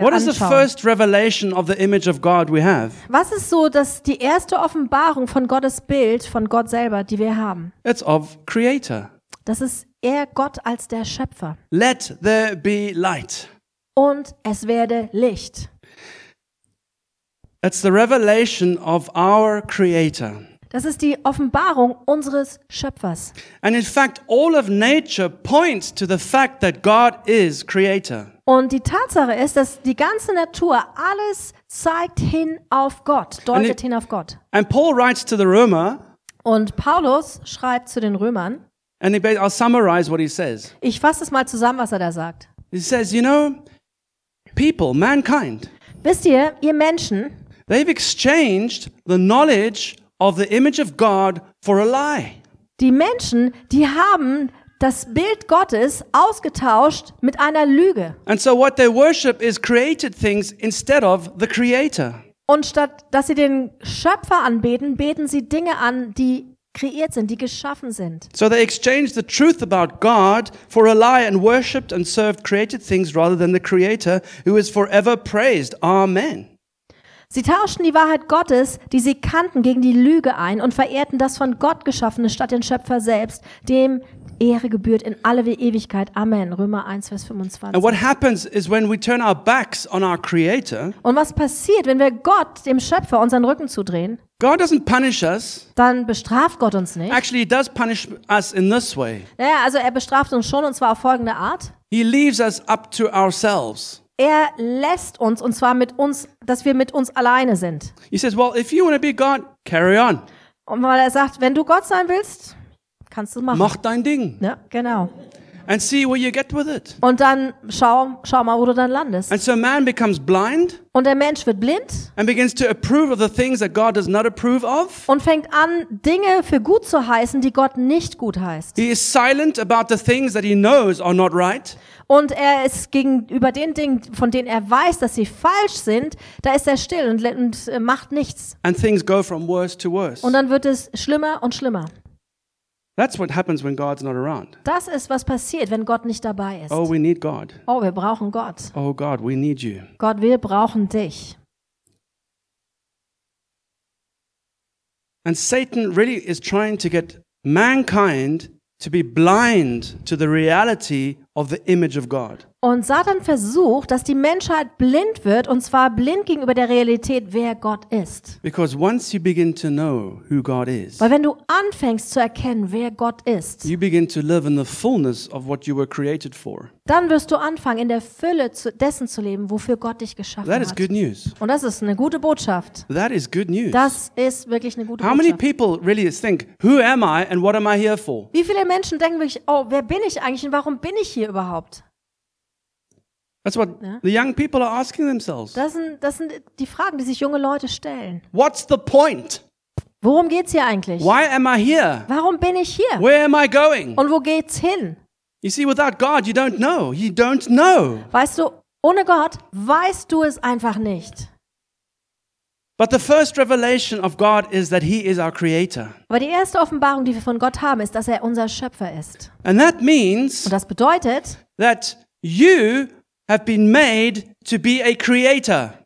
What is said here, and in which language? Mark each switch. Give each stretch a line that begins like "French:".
English: What is the first revelation of the image of God we have?
German: Was ist so das die erste Offenbarung von Gottes Bild, von Gott selber, die wir haben?
English: It's of Creator.
German: Das ist er Gott als der Schöpfer.
English: Let there be light.
German: Und es werde Licht.
English: It's the revelation of our Creator.
German: Das ist die Offenbarung unseres Schöpfers.
English: And in fact, all of nature points to the fact that God is creator.
German: Und die Tatsache ist, dass die ganze Natur alles zeigt hin auf Gott, deutet hin auf Gott.
English: And Paul writes to the Römer.
German: Und Paulus schreibt zu den Römern.
English: And I'll summarize what he says.
German: Ich fasse es mal zusammen, was er da sagt.
English: He says, you know, people, mankind.
German: Wisst ihr Menschen?
English: They've exchanged the knowledge of the image of God for a lie.
German: Die Menschen, die haben das Bild Gottes ausgetauscht mit einer Lüge.
English: And so what they worship is created things instead of the Creator.
German: Und statt dass sie den Schöpfer anbeten, beten sie Dinge an, die kreiert sind, die geschaffen sind.
English: So they exchanged the truth about God for a lie and worshiped and served created things rather than the Creator, who is forever praised. Amen.
German: Sie tauschten die Wahrheit Gottes, die sie kannten, gegen die Lüge ein und verehrten das von Gott Geschaffene statt den Schöpfer selbst, dem Ehre gebührt in alle Ewigkeit. Amen. Römer 1, Vers 25.
English: And what happens is when we turn our backs on our Creator.
German: Und was passiert, wenn wir Gott, dem Schöpfer, unseren Rücken zudrehen?
English: God doesn't punish us.
German: Dann bestraft Gott uns nicht.
English: Actually, he does punish us in this way.
German: Naja, also er bestraft uns schon, und zwar auf folgende Art.
English: He leaves us up to ourselves.
German: Er lässt uns, und zwar mit uns, dass wir mit uns alleine sind.
English: He says, well, if you want to be God, carry on.
German: Und weil er sagt, wenn du Gott sein willst, kannst du machen. Mach dein Ding. Ja, genau.
English: and see where you get with it.
German: Und dann schau mal, wo du dann landest.
English: And so a man becomes blind.
German: Und der Mensch wird blind.
English: And begins to approve of the things that God does not approve of.
German: Und fängt an, Dinge für gut zu heißen, die Gott nicht gut heißt.
English: He is silent about the things that he knows are not right.
German: Und er ist gegenüber den Dingen, von denen er weiß, dass sie falsch sind, da ist er still und macht nichts.
English: And things go from worse to worse.
German: Und dann wird es schlimmer und schlimmer.
English: That's what happens when God's not around.
German: Das ist, was passiert, wenn Gott nicht dabei ist.
English: Oh, we need God.
German: Oh, wir brauchen Gott.
English: Oh, God, we need you.
German: Gott, wir brauchen dich.
English: And Satan really is trying to get mankind to be blind to the reality of the image of God.
German: Und Satan versucht, dass die Menschheit blind wird, und zwar blind gegenüber der Realität, wer Gott ist.
English: Because once you begin to know who God is.
German: Weil wenn du anfängst zu erkennen, wer Gott ist.
English: You begin to live in the fullness of what you were created for.
German: Dann wirst du anfangen, in der Fülle dessen zu leben, wofür Gott dich geschaffen hat.
English: That is good news.
German: Und das ist eine gute Botschaft.
English: That is good news.
German: Das ist wirklich eine gute Botschaft.
English: How many people really think, who am I and what am I here for?
German: Wie viele Menschen denken wirklich, oh, wer bin ich eigentlich und warum bin ich hier überhaupt?
English: That's what the young people are asking themselves.
German: Das sind die Fragen, die sich junge Leute stellen.
English: What's the point?
German: Worum geht's hier eigentlich?
English: Why am I here?
German: Warum bin ich hier?
English: Where am I going?
German: Und wo geht's hin?
English: You see, without God, you don't know. You don't know.
German: Weißt du, ohne Gott weißt du es einfach nicht.
English: But the first revelation of God is that he is our creator.
German: Aber die erste Offenbarung, die wir von Gott haben, ist, dass er unser Schöpfer ist.
English: And that means.
German: Und das bedeutet.
English: That you have been made to be a creator.